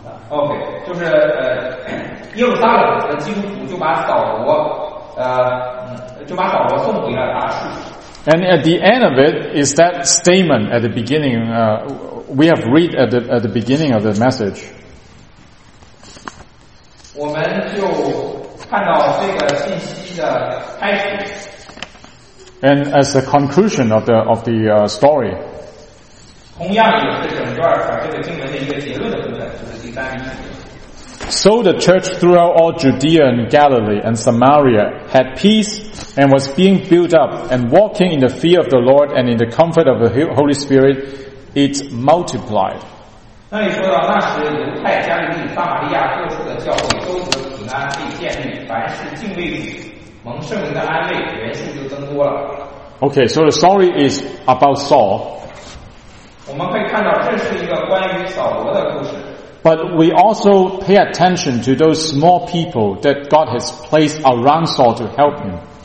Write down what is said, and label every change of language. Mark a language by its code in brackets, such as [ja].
[zh] OK, 就是耶路撒冷的基督徒就把扫罗，就把扫罗送回了大树。 [en] And at the end of it is that statement at the beginning, we have read at the beginning of the message. [zh] 我们就看到这个信息的开始。 [en] And as the conclusion of the story. [zh] 同样也是整段这个经文的一个结论的部分，就是第三章。 [en] So the church throughout all Judea and Galilee and Samaria had peace and was being built up and walking in the fear of the Lord and in the comfort of the Holy Spirit, it multiplied. [zh] 那你说到那时犹太加利利撒玛利亚各处的教会都得平安被建立凡事敬畏蒙圣灵的安慰人数就增多了。Okay, [en] so the story is about Saul. [zh] 我们会看到这是一个关于扫罗的故事。 [en] But we also pay attention to those small people that God has placed around Saul to help him.